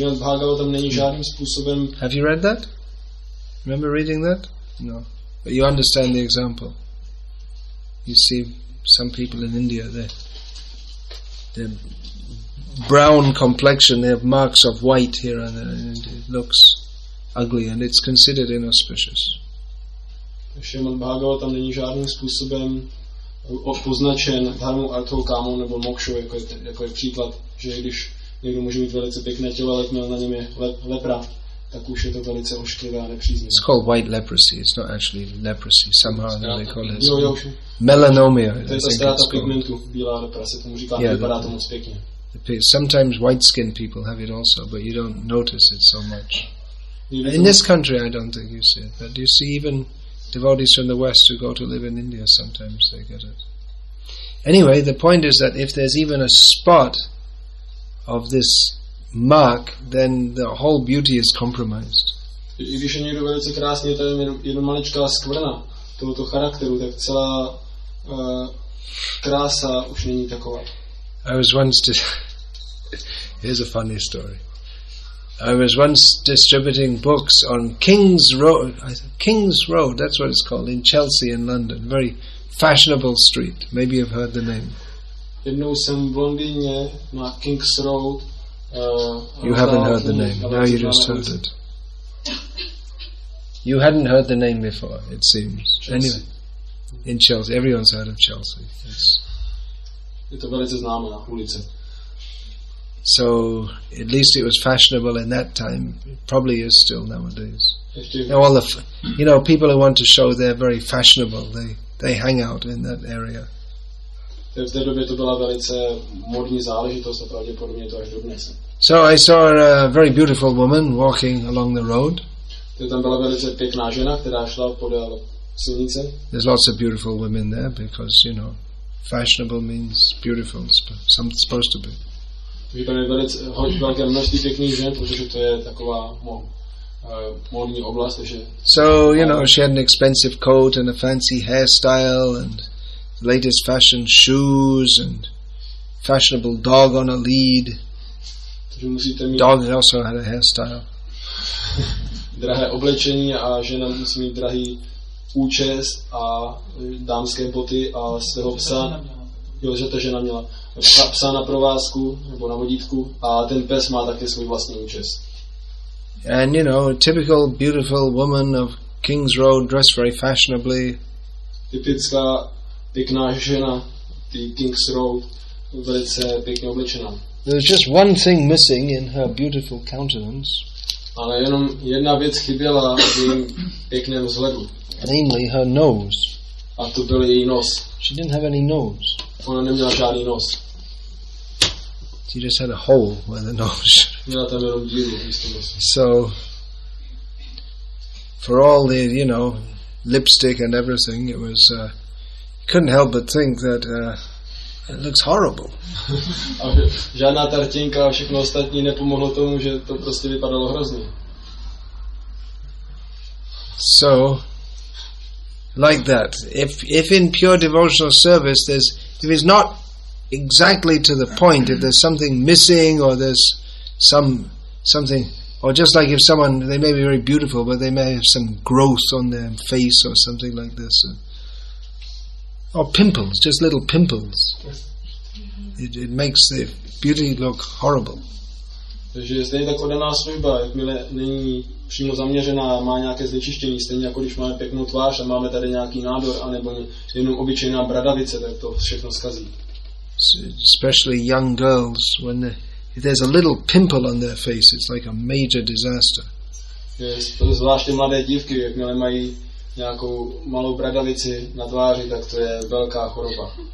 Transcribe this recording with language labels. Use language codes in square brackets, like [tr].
[en] Have you read that? Remember reading that? No. But you understand the example. You see some people in India, their brown complexion, they have marks of white here and there, and it looks ugly, and it's considered inauspicious. [cs] Srimad Bhagavatam není žádným způsobem poznačen dharmou, arthou, kámou nebo mokšou, jako je příklad, že když někdo může mít velice pěkné tělo, ale měl na něm je lepra, tak už je to velice ošklivé a nepříznivé. [en] It's called white leprosy. It's not actually leprosy. Somehow they call it melanomia. [cs] To je ta ztráta pigmentu, bílá lepra, se tomu říká, vypadá to moc pěkně. [en] Sometimes white-skinned people have it also, but you don't notice it so much. In this country, I don't think you see it. But you see even devotees from the West who go to live in India, sometimes they get it. Anyway, the point is that if there's even a spot of this mark, then the whole beauty is compromised. [cs] I když je někdo velice krásný, to je jenom maličká skvrna tohoto charakteru, tak celá krása už není taková. [en] I was once here's a funny story. I was once distributing books on King's Road, that's what it's called, in Chelsea in London, very fashionable street. Maybe you've heard the name. [cs] Jednou jsem v Londýně na King's Road. [en] You haven't heard the name. Now you just heard it. You hadn't heard the name before, it seems. Chelsea. Anyway, in Chelsea, everyone's heard of Chelsea. Yes. [cs] Je to velice známé na ulici. [en] So at least it was fashionable in that time. It probably is still nowadays. Now all the, you know, people who want to show they're very fashionable, they hang out in that area. [cs] V té době to byla velice modní záležitost, a pravděpodobně to až dodnes. [en] So I saw a very beautiful woman walking along the road. [cs] Tam byla velice pěkná žena, která šla podél silnice. [en] There's lots of beautiful women there because, you know, fashionable means beautiful, something supposed to be. So, you know, she had an expensive coat and a fancy hairstyle and the latest fashion shoes and fashionable dog on a lead. Dog also had a hairstyle. [cs] Drahé oblečení a žena musí mít drahý účes a dámské boty a svého psa. Jo, že ta žena měla psa na provázku nebo na vodítku a ten pes má také svůj vlastní účes. [en] And you know, a typical beautiful woman of King's Road dressed very fashionably. [cs] Typická pěkná žena ty King's Road velice pěkně oblečená. [en] There's just one thing missing in her beautiful countenance. [cs] Ale jenom jedna věc chyběla v jejím pěkném vzhledu. [en] Namely her nose. [cs] A to byl její nos. [en] She didn't have any nose. [cs] Ona neměla žádný nos. [en] She just had a hole where the nose. [cs] Měla tam jenom díru místo nosu. [en] So for all the, you know, lipstick and everything, it was couldn't help but think that it looks horrible. [cs] Žádná tartinka a všechno ostatní nepomohlo tomu, že to prostě vypadalo hrozně. [en] So like that. If in pure devotional service there's not exactly to the point. If there's something missing, or there's something, or just like if someone, they may be very beautiful, but they may have some growth on their face or something like this, or pimples, just little pimples. It makes the beauty look horrible. [cs] Takže stejně tak odaná služba, jakmile není přímo zaměřená, má nějaké znečištění, stejně jako když máme pěknou tvář a máme tady nějaký nádor, anebo jenom obyčejná bradavice, tak to všechno zkazí. [en] Especially young girls, when if there's a little pimple on their face, it's like a major disaster. [cs] Zvláště mladé dívky, jakmile mají nějakou malou bradavici na tváři, tak to je velká choroba.